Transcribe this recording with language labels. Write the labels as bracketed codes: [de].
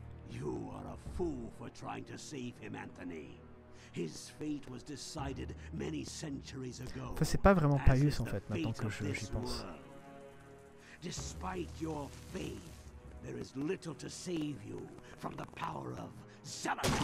[en] You are a fool for trying to save him, Anthony. His fate was decided many centuries ago. [fr] Enfin, c'est pas vraiment Paius en fait, maintenant que j'y pense. [en] Despite your faith, there is little to save you from the power of Zelenor.